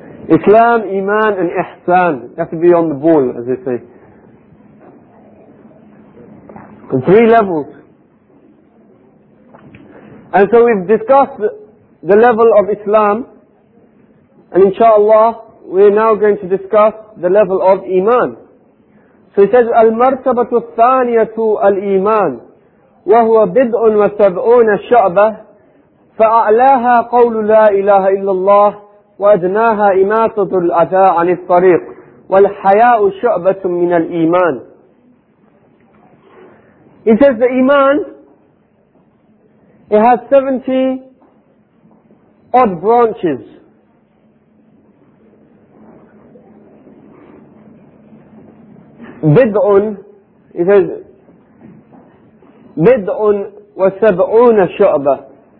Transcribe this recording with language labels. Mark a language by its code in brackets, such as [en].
[en] Islam, Iman and Ihsan. You have to be on the ball, as they say. Three levels. And so we've discussed the level of Islam, and inshaAllah we're now going to discuss the level of Iman. So he says, [ar] المرتبة الثانية الإيمان وهو بدء وسبعون شعبة فأعلاها قول لا إله إلا الله وأدناها إماطة الأذى عن الطريق والحياء شعبة من الإيمان. [en] He says the Iman, it has 70 odd branches. Bid'un, he says, [ar] Bid'un wa sab'una shu'ba.